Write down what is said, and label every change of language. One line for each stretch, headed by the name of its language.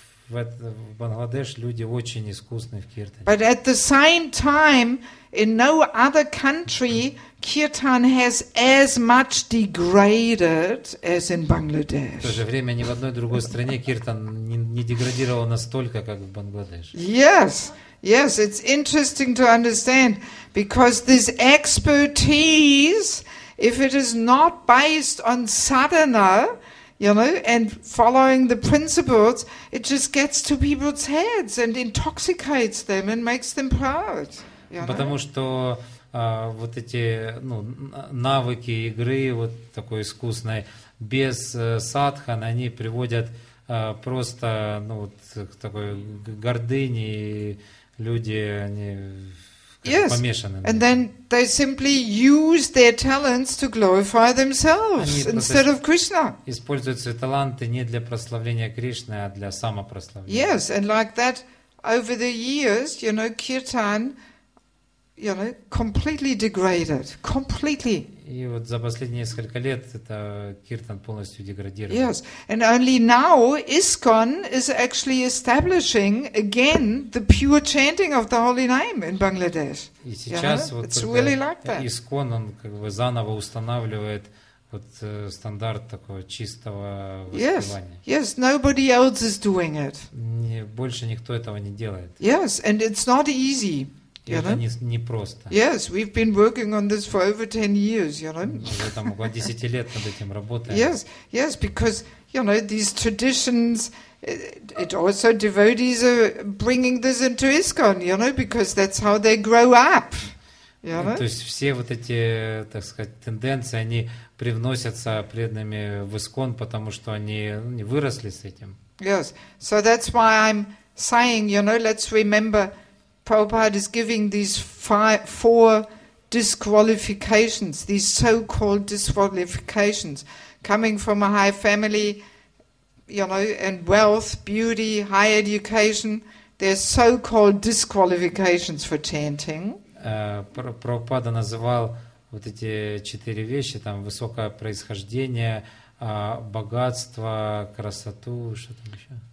Russian: В Бангладеш люди очень искусны в киртане.
English: But at the same time, in no other country, kirtan has as much degraded as in Bangladesh.
Russian: В то же время ни в одной другой стране киртан не деградировал настолько, как в Бангладеш.
English: Yes, yes, it's interesting to understand, because this expertise, if it is not based on sadhana, you know, and following the principles, it just gets to people's heads and intoxicates them and makes them proud.
Russian: Потому что вот эти, ну, навыки игры вот такой искусной без садхан, они приводят просто, ну, вот к такой гордыне, и люди, они
English: Yes, and then they simply use their talents to glorify themselves instead of Krishna.
Russian: Используют свои таланты не для прославления Кришны, а для самопрославления.
English: Yes, and like that, over the years, you know, kirtan, you know, completely degraded, completely.
Russian: И вот за последние несколько лет это киртан полностью деградировал.
English: Yes, and only now ISKCON is actually establishing again the pure chanting of the holy name in Bangladesh.
Russian: И сейчас вот
English: really like
Russian: ISKCON, он как бы заново устанавливает вот стандарт такого чистого воспевания.
English: Yes, nobody else is doing it.
Russian: Больше никто этого не делает.
English: Yes, and it's not easy.
Russian: Это не просто.
English: Yes, we've been working on this for over 10 years, you know.
Russian: Мы там около 10 лет над этим работаем.
English: Yes, yes, because, you know, these traditions, it also devotees are bringing this into ISKCON, you know, because that's how they grow up.
Russian: То есть все вот эти, так сказать, тенденции, они привносятся преданными в ИСККОН, потому что они не выросли с этим.
English: Yes, so that's why I'm saying, you know, let's remember. Prabhupada is giving these 4 disqualifications, these so-called disqualifications, coming from a high family, you know, and wealth, beauty, high education. They're so-called disqualifications for chanting.
Russian: Prabhupada называл вот эти 4 вещи, там, высокое происхождение, богатство, красоту, что там еще?